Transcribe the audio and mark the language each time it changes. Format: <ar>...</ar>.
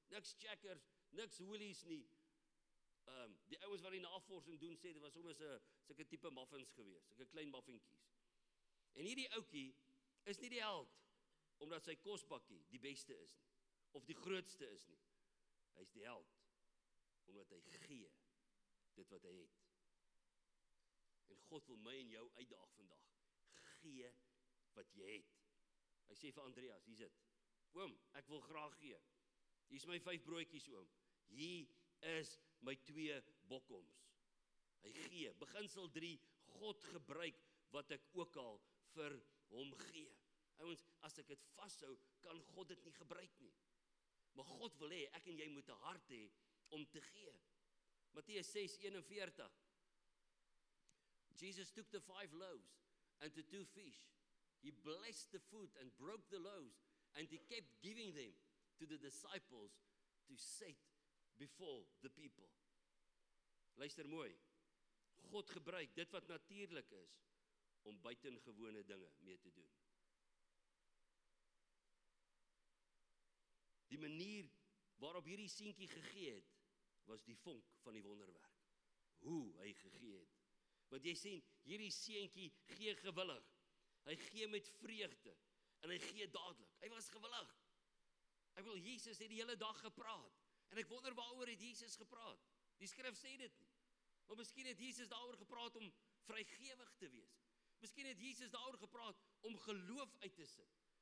<af>Niks Checkers, niks Woolies nie. Die ouens wat die navorsing doen sê dit was sommer sulke tipe muffins gewees, sulke klein muffintjies. En hierdie oukie is nie die held omdat sy kosbakkie die beste is nie, of die grootste is nie. Hy is die held omdat hy gee dit wat hy het. En God wil my en jou uitdaag vandag. Gee wat jy het. Hy sê vir Andreas, hier sit. Oom, ek wil graag gee. Hier is my 5 broodjies, oom. Hier is my 2 bokkoms. Hy gee. Beginsel 3, God gebruik wat ek ook al vir hom gee. Ouens, as ek dit vashou, kan God dit nie gebruik nie. Maar God wil hê ek en jy moet 'n hart hê om te gee.</af> <en>Matteus 6:41. Jesus took the 5 loaves and the 2 fish. He blessed the food and broke the loaves and he kept giving them to the disciples to set before the people.</en> <af>Luister mooi. God gebruik dit wat natuurlik is om buitengewone dinge mee te doen. Die manier waarop hierdie seentjie gegee het, was die vonk van die wonderwerk. Hoe hy gegee het. Want jy sien, hierdie seentjie gee gewillig. Hy gee met vreugde. En hy gee dadelik. Hy was gewillig. Ek wil, Jesus het die hele dag gepraat. En ek wonder waaroor het Jesus gepraat. Die skrif sê dit nie. Maar miskien het Jesus daaroor gepraat om vrygewig te wees. Miskien het Jesus daaroor gepraat om geloof uit te sit.</af>